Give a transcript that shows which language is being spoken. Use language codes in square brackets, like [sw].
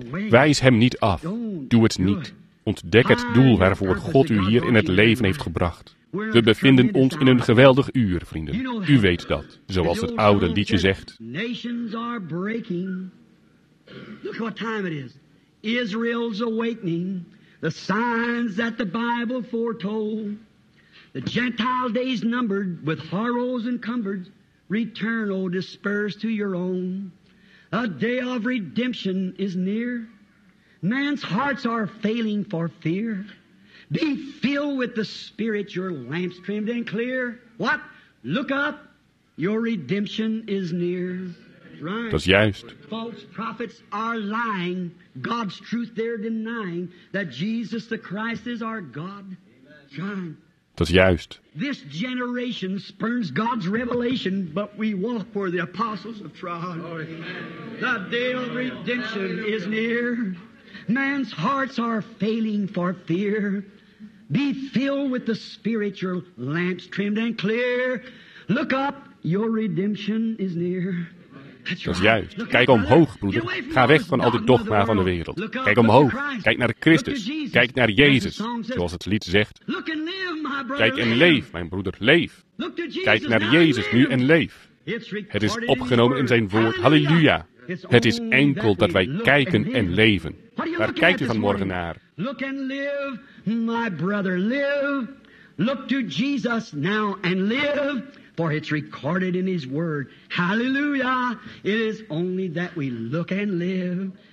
[nl] Wijs hem niet af. Doe het niet. Ontdek het doel waarvoor God u hier in het leven heeft gebracht. We bevinden ons in een geweldig uur, vrienden. U weet dat. Zoals het oude liedje zegt. [en] Nations are breaking. Look what time it is. Israel's awakening, the signs that the Bible foretold, the Gentile days numbered with horrors encumbered, return, O dispersed, to your own. A day of redemption is near. Man's hearts are failing for fear. Be filled with the Spirit, your lamps trimmed and clear. What? Look up, your redemption is near. [nl] Dat is juist. [en] False prophets are lying. God's truth they're denying that Jesus the Christ is our God. [nl] John. Dat is juist. [en] This generation spurns God's revelation, but we walk where the apostles have trod. The day of redemption is near. Man's hearts are failing for fear. Be filled with the Spirit, your lamps trimmed and clear. Look up, your redemption is near. [nl] Dat is juist. Kijk omhoog, broeder. Ga weg van al de dogma van de wereld. Kijk omhoog. Kijk naar Christus. Kijk naar Jezus, zoals het lied zegt. Kijk en leef, mijn broeder, leef. Kijk naar Jezus nu en leef. Het is opgenomen in zijn woord. Halleluja. Het is enkel dat wij kijken en leven. Waar kijkt u vanmorgen naar? [en] Look and live, my brother, live. Look to Jesus now and live. For it's recorded in his word. Hallelujah. It is only that we look and live.